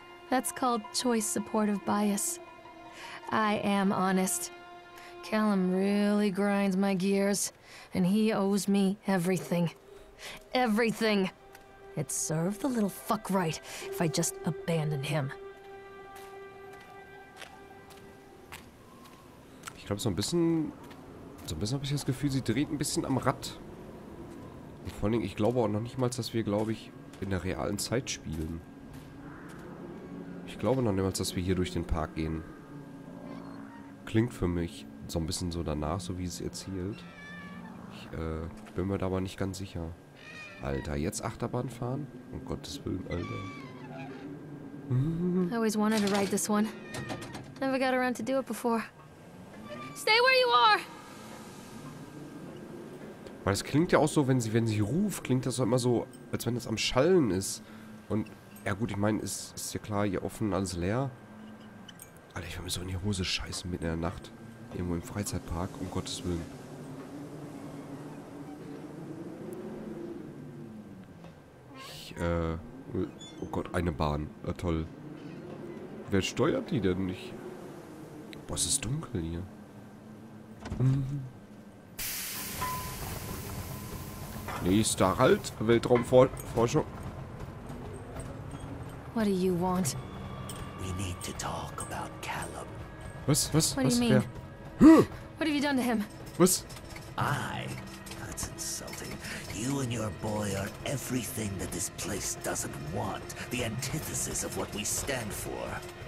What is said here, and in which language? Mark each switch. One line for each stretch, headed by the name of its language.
English: That's called choice supportive bias. I am honest. Callum really grinds my gears, and he owes me everything. Everything! It served the little fuck right if I just abandoned him.
German: Ich glaube, so ein bisschen habe ich das Gefühl, sie dreht ein bisschen am Rad. Vor allen Dingen, ich glaube auch noch nicht mal, dass wir, glaube ich, in der realen Zeit spielen. Ich glaube noch nicht mal, dass wir hier durch den Park gehen. Klingt für mich so ein bisschen so danach, so wie es erzählt. Ich bin mir da aber nicht ganz sicher. Alter, jetzt Achterbahn fahren? Um Gottes Willen, Alter.
English: I always wanted to ride this one. Never got around to do it before. Stay where you are!
German: Weil es klingt ja auch so, wenn sie ruft, klingt das auch immer so, als wenn das am Schallen ist. Und, ja gut, ich meine, ist ja klar, hier offen, alles leer. Alter, ich will mir so in die Hose scheißen mitten in der Nacht. Irgendwo im Freizeitpark, um Gottes Willen. Ich, oh Gott, eine Bahn. Ja, toll. Wer steuert die denn nicht? Boah, es ist dunkel hier. Nächster Halt, Weltraumforschung.
English: What do you want? We need to talk about Callum.
German: Was?
English: What do you mean? What have you done to him?
German: Was?
English: I? That's insulting. You and your boy are everything that this place doesn't want. The antithesis of what we stand for.